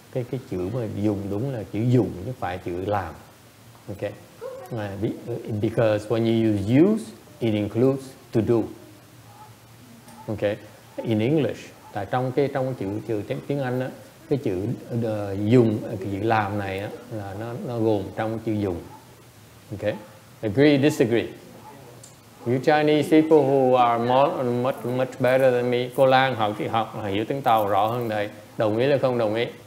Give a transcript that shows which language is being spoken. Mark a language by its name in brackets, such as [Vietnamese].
[Vietnamese] Cái chữ mà dùng đúng là chữ dùng chứ phải chữ làm. [English] Okay. Because when you use use, it includes to do. Okay. In English. [Vietnamese] Tại trong cái chữ tiếng Anh á, cái chữ dùng, cái chữ làm này á, là nó gồm trong chữ dùng. [English] Okay? Agree, disagree. You Chinese people who are more, much, much better than me, [Vietnamese] cô Lan học thì học, hiểu tiếng Tàu rõ hơn đây. Đồng ý là không đồng ý?